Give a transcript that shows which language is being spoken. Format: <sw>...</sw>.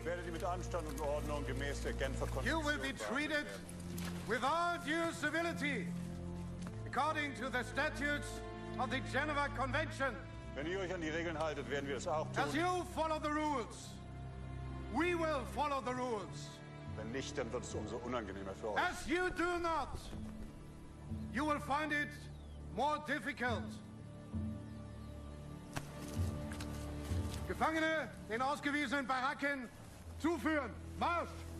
<de>werdet ihr mit Anstand und Ordnung gemäß der Genfer Konvention behandelt.</de> <en>You will be treated with all due civility, according to the statutes of the Geneva Convention.</en> <de>Wenn ihr euch an die Regeln haltet, werden wir es auch tun.</de> <en>As you follow the rules, we will follow the rules.</en> <de>Wenn nicht, dann wird es umso unangenehmer für euch.</de> <en>As you do not, you will find it more difficult.</en> <de>Gefangene den ausgewiesenen Baracken zuführen. Marsch!</de>